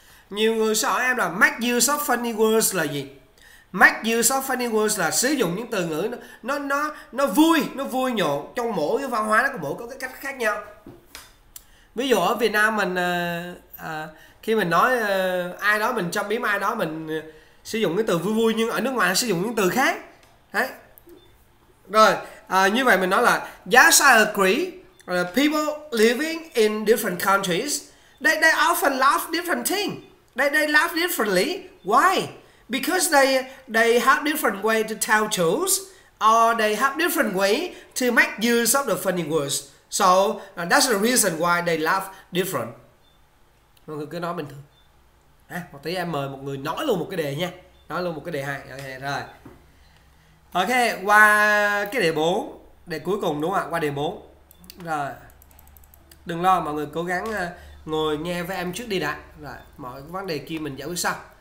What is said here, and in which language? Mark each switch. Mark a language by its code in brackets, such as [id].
[vi] Nhiều người sẽ hỏi em là [en] make use of funny words [vi] là gì? Make use of funny words là sử dụng những từ ngữ nó vui nhộn trong mỗi cái văn hóa đó, của mỗi có cái cách khác nhau. Ví dụ ở Việt Nam mình khi mình nói ai đó, mình châm biếm ai đó, mình sử dụng cái từ vui vui, nhưng ở nước ngoài sử dụng những từ khác. Đấy. Rồi, như vậy mình nói là [en] yes, I agree. People living in different countries, they often laugh different thing. They laugh differently. Why? Because they have different way to tell jokes, or they have different way to make use of the funny words. So that's the reason why they laugh different. [vi] Mọi người cứ nói bình thường. À, một tí em mời một người nói luôn một cái đề nha. Nói luôn một cái đề hai. Okay, rồi. Ok, qua cái đề 4. Đề cuối cùng đúng không ạ? Qua đề 4. Rồi. Đừng lo, mọi người cố gắng ngồi nghe với em trước đi đã. Rồi, mọi vấn đề kia mình giải quyết sau.